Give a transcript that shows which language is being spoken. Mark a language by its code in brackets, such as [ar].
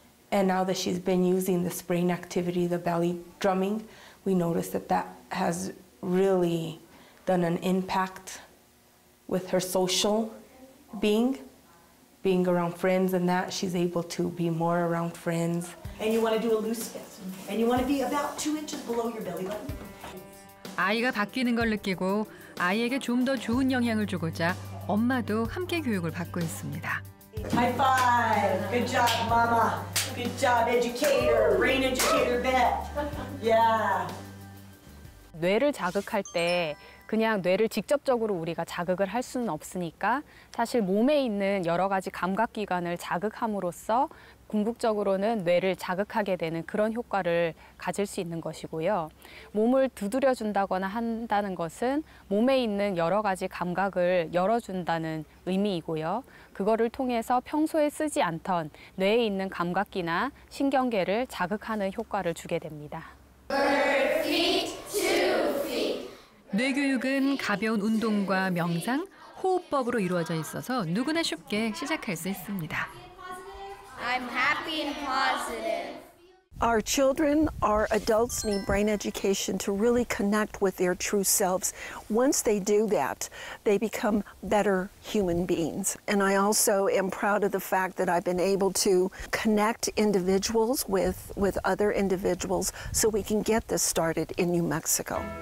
[en] And now that she's been using this brain activity, the belly drumming, we noticed that that has really done an impact with her social being. Being around friends and that, she's able to be more around friends. And you want to do a loose fist. And you want to be about 2 inches below your belly button. [ko] 아이가 바뀌는 걸 느끼고 아이에게 좀 더 좋은 영향을 주고자 엄마도 함께 교육을 받고 있습니다. [en] High five! Good job, mama! Good job, educator! Brain educator, Beth! Yeah! [ko] 뇌를 자극할 때 그냥 뇌를 직접적으로 우리가 자극을 할 수는 없으니까 사실 몸에 있는 여러 가지 감각기관을 자극함으로써 궁극적으로는 뇌를 자극하게 되는 그런 효과를 가질 수 있는 것이고요. 몸을 두드려준다거나 한다는 것은 몸에 있는 여러 가지 감각을 열어준다는 의미이고요. 그거를 통해서 평소에 쓰지 않던 뇌에 있는 감각기나 신경계를 자극하는 효과를 주게 됩니다. 뇌교육은 가벼운 운동과 명상, 호흡법으로 이루어져 있어서 누구나 쉽게 시작할 수 있습니다. [en] I'm happy and positive. Our children, our adults need brain education to really connect with their true selves. Once they do that, they become better human beings. And I also am proud of the fact that I've been able to connect individuals with other individuals so we can get this started in New Mexico.